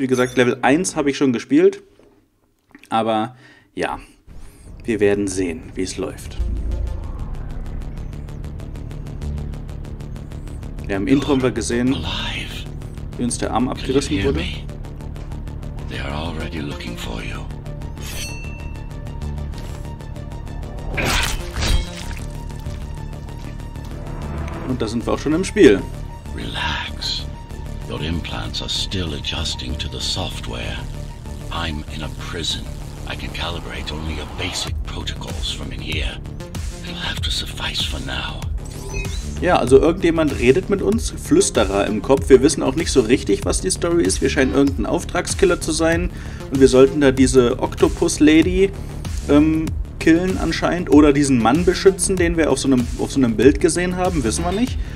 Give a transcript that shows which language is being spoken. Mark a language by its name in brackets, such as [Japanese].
[German] Wie gesagt, Level 1 habe ich schon gespielt. Aber ja, wir werden sehen, wie es läuft. Wir haben im Intro gesehen, wie uns der Arm abgerissen wurde. [English] They are already looking for you. [German] Und da sind wir auch schon im Spiel. [English] Relax. Your implants are still adjusting to the software. I'm in a prison. I can calibrate only your basic protocols from in here. It'll have to suffice for now. [German] Ja, also irgendjemand redet mit uns, Flüsterer im Kopf. Wir wissen auch nicht so richtig, was die Story ist. Wir scheinen irgendein Auftragskiller zu sein. Und wir sollten da diese Octopus-Lady killen anscheinend. Oder diesen Mann beschützen, den wir auf so einem Bild gesehen haben. Wissen wir nicht.